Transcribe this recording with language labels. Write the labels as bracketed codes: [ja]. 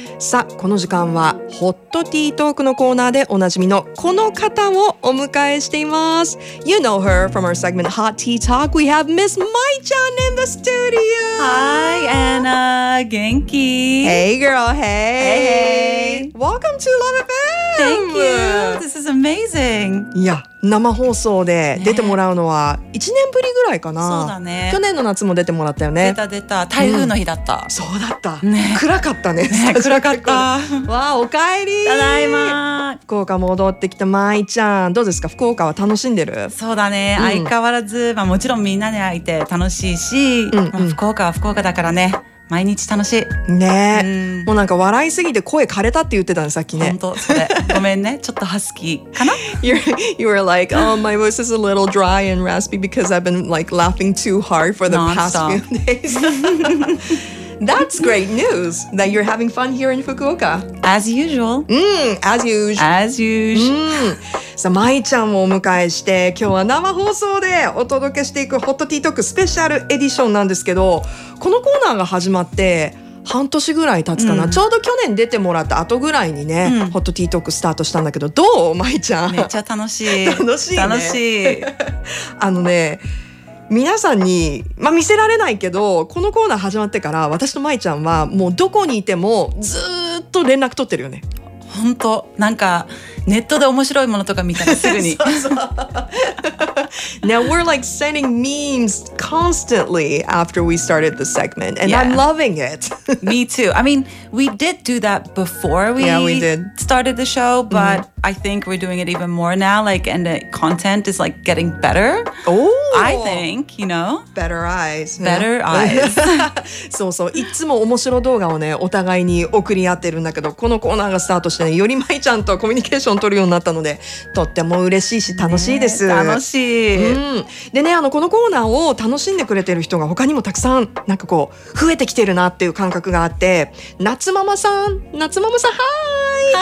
[ja] さあこの時間はホットティートークのコーナーでおなじみのこの方をお迎えしています。 [en] You know her from our segment Hot Tea Talk. We have Miss Mai Chan in the studio. Hi Anna, [ja] 元気? [en] Hey girl, hey. Hey. Welcome to Love FM. Thank you. This is amazing. Yeah. [ja] 生放送で出てもらうのは1年ぶりぐらいかな、ね、そうだね。去年の夏も出てもらったよね。出た出た。台風の日だった、うん、そうだった、ね、暗かった ね暗かったわー、おかえり。ただいま。福岡戻ってきたまいちゃん、どうですか、福岡は楽しんでる？そうだね、うん、相変わらず、まあ、もちろんみんなで会いて楽しいし、うんうん、まあ、福岡は福岡だからね、毎日楽しいね、うん、もうなんか笑いすぎて声枯れたって言ってたね、さっきね。本当それごめんね、ちょっとハスキーかな。 [en] You were like, oh, my voice is a little dry and raspy because I've been like laughing too hard for the past few days. That's great news that you're having fun here in Fukuoka. As usual. As usual. As usual. [ja] さあ、まいちゃんをお迎えして今日は生放送でお届けしていくホットティートークスペシャルエディションなんですけど、このコーナーが始まって半年ぐらい経つかな、うん、ちょうど去年出てもらった後ぐらいにね、うん、ホットティートークスタートしたんだけど、どう、まいちゃん？めっちゃ楽しい。楽しいね。楽しい。あのね、皆さんに、まあ、見せられないけど、このコーナー始まってから私とまいちゃんはもうどこにいてもずっと連絡取ってるよね。ほんと、なんかネットで面白いものとか見たらすぐにそうそう。 [en] Now we're like sending memes constantly after we started the segment, and yeah, I'm loving it. Me too. I mean, we did do that before we, yeah, we did. Started the show, but、mm-hmm. I think we're doing it even more now. Like, and the content is like getting better. Oh, I think, you know, better eyes. Better、yeah. eyes. [ja] そうそう、いつも面白い動画をね、お互いに送り合ってるんだけど、このコーナーがスタートして、ね、よりまいちゃんとコミュニケーション取るようになったので、とっても嬉しいし楽しいです、ね、楽しい、うん、でね、あのこのコーナーを楽しんでくれてる人が他にもたくさんなんかこう増えてきてるなっていう感覚があって、夏ママさん、夏ママさん、はーい、